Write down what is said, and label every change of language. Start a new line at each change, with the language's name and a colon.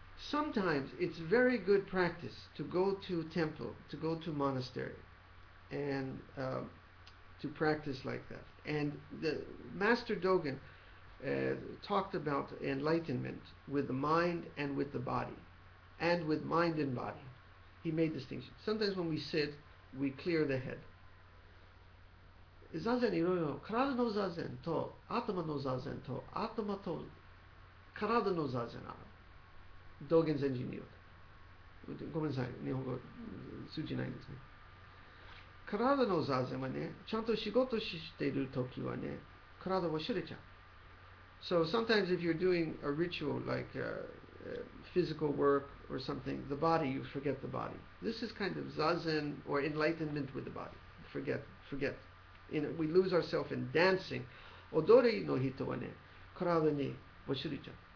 English: Sometimes it's very good practice to go to temple, to go to monastery, and、to practice like that. And the Master Dogen、talked about enlightenment with the mind and with the body, and with mind and body. He made distinction. Sometimes when we sit, we clear the head.
Japanese: Zazen, いろいろ、体の座禅と頭の座禅と頭と体の座禅ある。道元禅師によって。ごめんなさい、日本語通じないんですね。体の座禅はね、ちゃんと仕事してるときはね、体忘れちゃう。
English: So sometimes if you're doing a ritual like a physical work or something, the body, you forget the body. This is kind of zazen or enlightenment with the body. Forget. You know, we lose ourselves in dancing.
Japanese: 踊りの人はね、体に忘れちゃう。